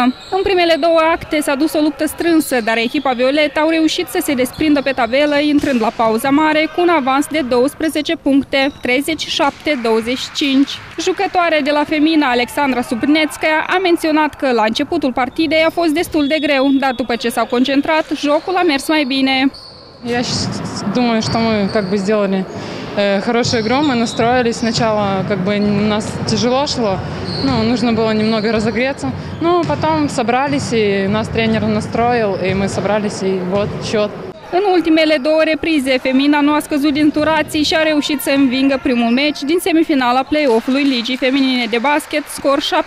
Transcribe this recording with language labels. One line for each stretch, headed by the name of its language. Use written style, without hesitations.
Romanian: În primele două acte s-a dus o luptă strânsă, dar echipa violetă au reușit să se desprindă pe tabelă, intrând la pauza mare cu un avans de 12 puncte, 37-25. Jucătoare de la Femina, Alexandra Subnețcaia, a menționat că la începutul partidei a fost destul de greu, dar după ce s-au concentrat, jocul a mers mai bine.
Russian: Я думаю, что мы как бы сделали хорошую игру, мы настроились. Сначала как бы у нас тяжело шло, ну, нужно было немного разогреться. Ну, потом собрались, и нас тренер настроил, и мы собрались, и вот счет.
Romanian: În ultimele două reprize, Femina nu a scăzut din turații și a reușit să învingă primul meci din semifinala play-off-ului Ligii Feminine de Basket, scor 70-59.